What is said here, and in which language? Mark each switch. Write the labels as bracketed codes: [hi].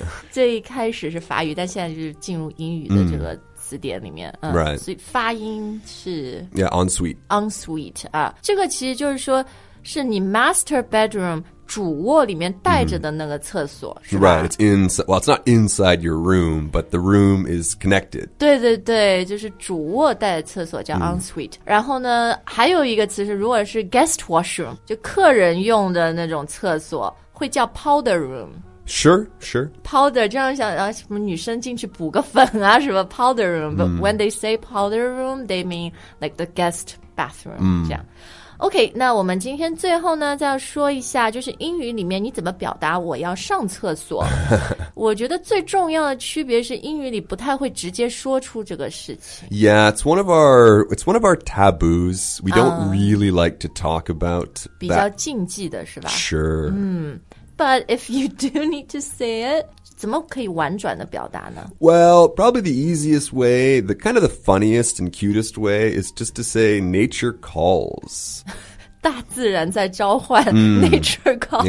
[zh] 最开始是法语，但现在就是进入英语的这个词典里面、 [en] right. [zh] 所以发音是 [en] Yeah, ensuite [zh] Ensuite、这个其实就是说是你 master bedroom 主卧里面带着的那个厕所、mm-hmm. 是吧 [en] Right, it's inside Well, it's not inside your room But the room is connected [zh] 对对对就是主卧带的厕所叫 ensuite、mm-hmm. 然后呢还有一个词是如果是 guest washroom 就客人用的那种厕所会叫 powder room [en] Sure, sure. Powder, [zh] 这样想、啊、什么女生进去补个粉啊什么 [en] powder room. But、mm. when they say powder room, they mean like the guest bathroom、mm. [zh] 这样 OK 那我们今天最后呢再说一下就是英语里面你怎么表达我要上厕所我觉得最重要的区别是英语里不太会直接说出这个事情 [en] Yeah, it's one of our taboos We don't、really like to talk about [zh] 比较禁忌的是吧 [en] Sure、 But if you do need to say it [zh] 怎么可以婉转地表达呢 [en] Well, probably the easiest way, the kind of the funniest and cutest way is just to say nature calls. [zh] 大自然在召唤、nature calls.